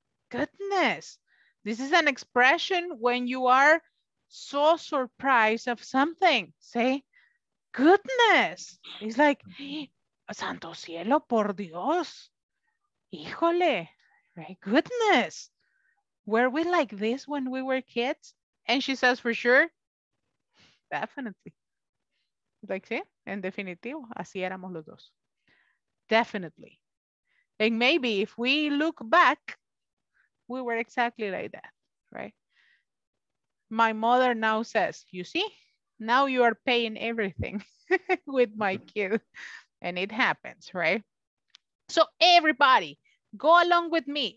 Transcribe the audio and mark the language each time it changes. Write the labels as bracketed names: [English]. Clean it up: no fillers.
[English] Goodness. This is an expression when you are so surprised of something. Say, goodness. It's like, [Spanish] Santo cielo, por Dios. [English] Híjole, right? Goodness. Were we like this when we were kids? And she says, for sure. Definitely. [Spanish] Like, sí, en definitivo, así éramos los dos. [English] Definitely. And maybe if we look back, we were exactly like that, right? My mother now says, you see, now you are paying everything with my kid. And it happens, right? So everybody, go along with me.